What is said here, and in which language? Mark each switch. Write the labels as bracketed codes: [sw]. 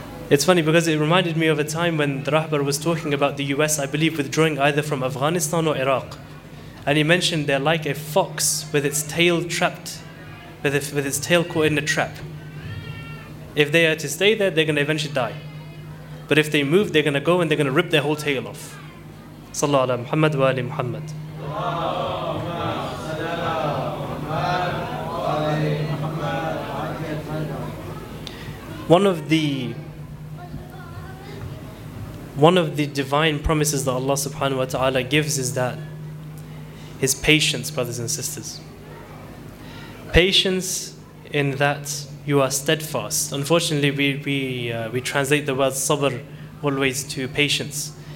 [en] It's funny because it reminded me of a time when the Rahbar was talking about the US, I believe, withdrawing either from Afghanistan or Iraq. And he mentioned they're like a fox with its tail trapped, with its tail caught in a trap. If they are to stay there, they're going to eventually die. But if they move, they're going to go and they're going to rip their whole tail off. [ar] صلى على محمد وآل محمد. اللهم صل على محمد وآل محمد وعجل فرجهم. [en] One of the divine promises that Allah subhanahu wa ta'ala gives is that His patience, brothers and sisters. Patience in that you are steadfast. Unfortunately, we translate the word sabr always to patience.